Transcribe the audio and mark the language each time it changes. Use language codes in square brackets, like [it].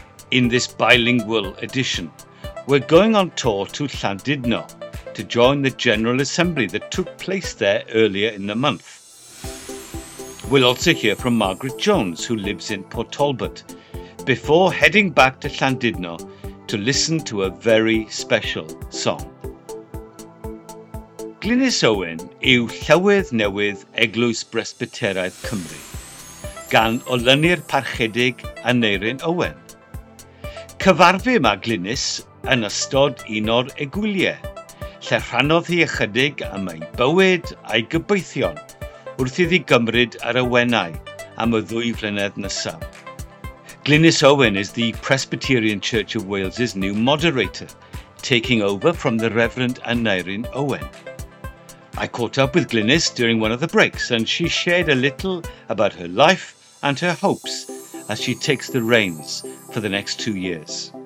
[en] In this bilingual edition, we're going on tour to Landudno to join the General Assembly that took place there earlier in the month. We'll also hear from Margaret Jones, who lives in Port Talbot, before heading back to Llandudno to listen to a very special song. [cy] Glynis Owen yw Llywydd Newydd Eglwys Bresbyteraidd Cymru, gan Olynu'r Parchedig Aneirin Owen. Cyfarfu yma Glynis yn ystod un o'r egwyliau, lle rhanodd hi ychydig am ei bywyd a'i gobeithion wrth iddi gymryd ar y wenau am y ddwy flynedd nesaf. [en] Glynis Owen is the Presbyterian Church of Wales's new moderator, taking over from the Reverend Aneirin Owen. I caught up with Glynis during one of the breaks and she shared a little about her life and her hopes as she takes the reins for the next 2 years.